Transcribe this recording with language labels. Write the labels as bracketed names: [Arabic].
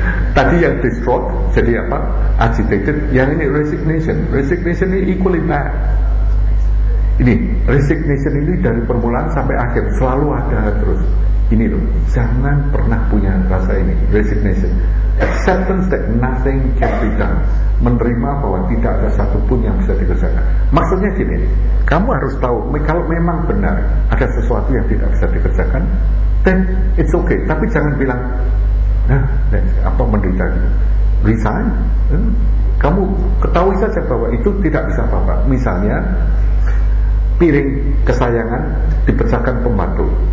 [Indonesian] Tadi yang distraught, jadi apa? Agitated. Yang ini resignation. [English] Resignation ini equally bad. [Indonesian] Ini resignation ini dari permulaan sampai akhir selalu ada terus. Ini loh, jangan pernah punya rasa ini, resignation. [English] Acceptance that nothing can be done. [Indonesian] Menerima bahwa tidak ada satupun yang bisa dikerjakan. Maksudnya gini, kamu harus tahu kalau memang benar ada sesuatu yang tidak bisa dikerjakan, [English] then it's okay. [Indonesian] Tapi jangan bilang, nah, apa menderita gitu. Resign. Kamu ketahui saja bahwa itu tidak bisa apa-apa. Misalnya piring kesayangan dipecahkan pembantu.